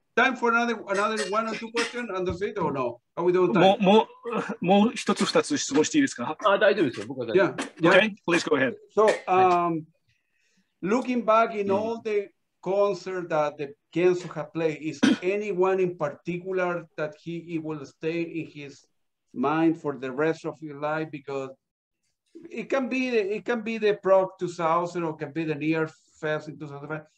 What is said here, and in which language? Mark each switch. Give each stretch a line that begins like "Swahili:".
English: Time for another one or two questions and that's it or no? Are we doing time?
Japanese: もう一つ二つ質問していいですか？あ、大丈夫ですよ。僕は大丈夫。
English: Yeah. Okay, please go ahead. So, looking back in all the concert that the Kenso has played, is anyone in particular that he will stay in his mind for the rest of his life? Because it can be the Prague 2000 or can be the Near Fest in 2005.